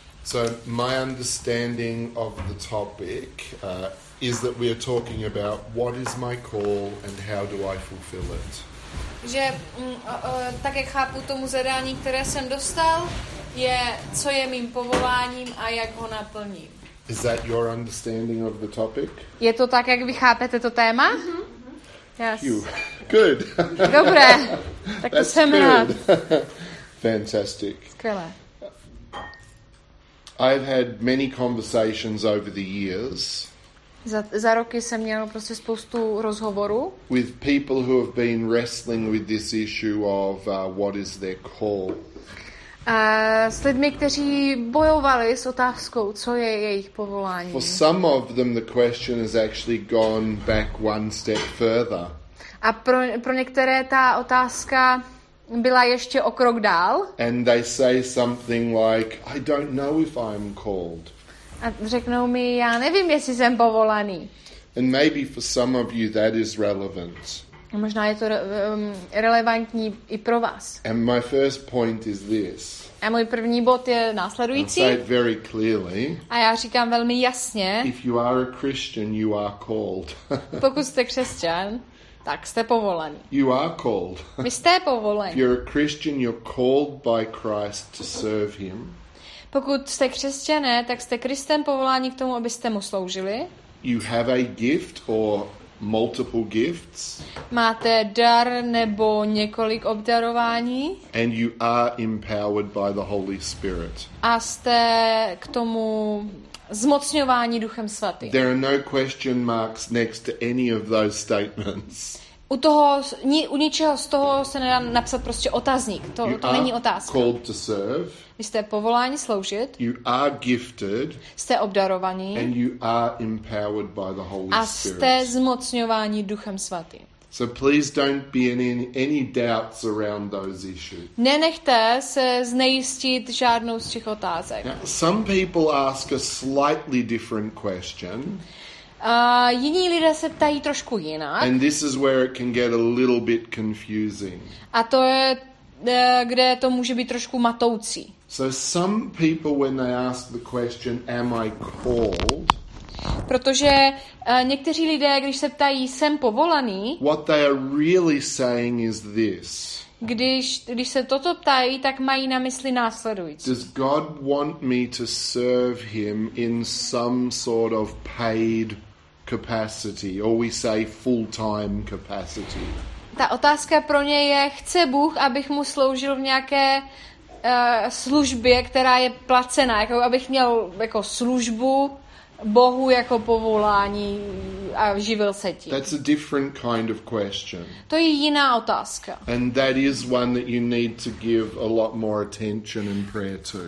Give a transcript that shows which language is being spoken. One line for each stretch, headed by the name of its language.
English: So my understanding of the topic is that we are talking about what is my call and how do I fulfill it.
Czech: Že tak jak chápu tomu zadání, které jsem dostal, je co je mým povoláním a jak ho naplním.
English: Is that your understanding of the topic?
Czech: Je to tak, jak vy chápete to téma?
English: Yes. You. Good.
Czech: Dobré. Tak to jsem rád.
English: Fantastic.
Czech: Skvělé.
English: I've had many conversations over the years.
Czech: Za roky jsem měl prostě spoustu rozhovorů.
English: With people who have been wrestling with this issue of what is their call.
Czech: S lidmi, kteří bojovali s otázkou, co je jejich povolání.
English: For some of them the question has actually gone back one step further.
Czech: A pro některé ta otázka byla ještě o krok dál.
English: And they say something like, I don't know if I'm called.
Czech: A řeknou mi, já nevím, jestli jsem povolaný.
English: And maybe for some of you that is relevant.
Czech: Možná je to relevantní i pro vás.
English: And my first point is this.
Czech: A můj první bod je následující.
English: I'll say it very clearly.
Czech: A já říkám velmi jasně.
English: If you are a Christian, you are called.
Czech: Pokud jste křesťan, tak jste povolaný.
English: You are called.
Czech: Vy jste povolený.
English: If you're a Christian, you're called by Christ to serve him.
Czech: Pokud jste křesťané, tak jste Kristem povoláni k tomu, abyste mu sloužili.
English: You have a gift or multiple gifts.
Czech: Máte dar nebo několik obdarování.
English: And you are empowered by the Holy Spirit.
Czech: A jste k tomu zmocňování Duchem Svatým.
English: There are no question marks next to any of those statements.
Czech: U toho, u ničeho z toho se nedá napsat prostě otazník. To,
English: you
Czech: to není otázka.
English: Called to serve.
Czech: Vy jste povoláni sloužit.
English: You are gifted.
Czech: Jste obdarovaní.
English: And you are empowered by the Holy
Czech: Spirit. A jste zmocňováni Duchem Svatým.
English: So please don't be in any doubts around those issues.
Czech: Nenechte se znejistit žádnou z těch otázek.
English: Now, some people ask a slightly different question.
Czech: Jiní lidé se ptají trošku jinak.
English: And this is where it can get a little bit confusing.
Czech: A to je, kde to může být trošku matoucí.
English: So some people when they ask the question, am I called?
Czech: Protože někteří lidé, když se ptají, jsem povolaný.
English: What they are really saying is this.
Czech: Když se toto ptají, tak mají na mysli následující.
English: Does God want me to serve him in some sort of paid capacity, or we say full-time capacity?
Czech: Ta otázka pro ně je, chce Bůh, abych mu sloužil v nějaké službě, která je placená, jako abych měl jako službu Bohu jako povolání a živil se tím.
English: That's a different kind of question.
Czech: To je jiná otázka.
English: And that is one that you need to give a lot more attention and prayer to.